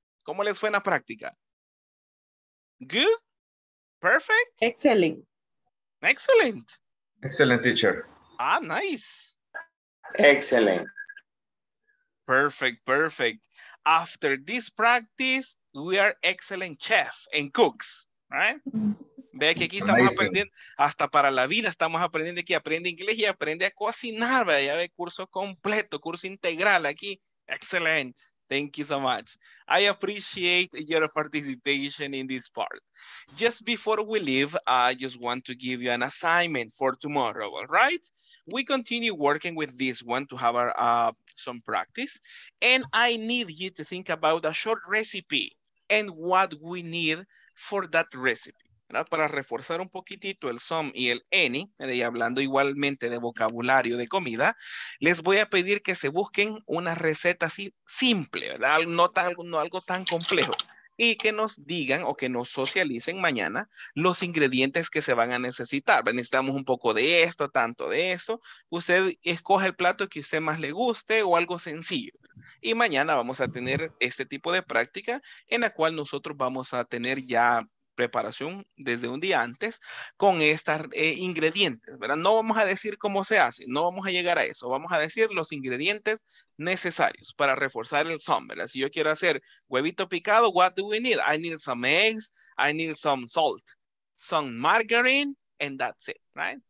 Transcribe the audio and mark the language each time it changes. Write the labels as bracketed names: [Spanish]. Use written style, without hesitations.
[Spanish] ¿Cómo les fue en la práctica? [English] Good? Perfect? Excellent. Excellent. Excellent, teacher. Ah, nice. Excellent. Perfect, perfect. After this practice, we are excellent chefs and cooks, right? [Spanish] Ve que aquí estamos amazing. Aprendiendo, hasta para la vida estamos aprendiendo aquí, aprende inglés y aprende a cocinar, ¿verdad? Ya ve, curso completo, curso integral aquí. [English] Excellent. Thank you so much. I appreciate your participation in this part. Just before we leave, I just want to give you an assignment for tomorrow, all right? We continue working with this one to have some practice. And I need you to think about a short recipe and what we need for that recipe. [Spanish] ¿Verdad? Para reforzar un poquitito el some y el any, y hablando igualmente de vocabulario de comida, les voy a pedir que se busquen una receta así simple, ¿verdad? No algo tan complejo, y que nos digan o que nos socialicen mañana los ingredientes que se van a necesitar. Necesitamos un poco de esto, tanto de eso. Usted escoge el plato que usted más le guste o algo sencillo. Y mañana vamos a tener este tipo de práctica en la cual nosotros vamos a tener ya preparación desde un día antes con estos ingredientes, ¿verdad? No vamos a decir cómo se hace, no vamos a llegar a eso, vamos a decir los ingredientes necesarios para reforzar el some, ¿verdad? Si yo quiero hacer huevito picado, [English] what do we need? I need some eggs, I need some salt, some margarine, and that's it, right?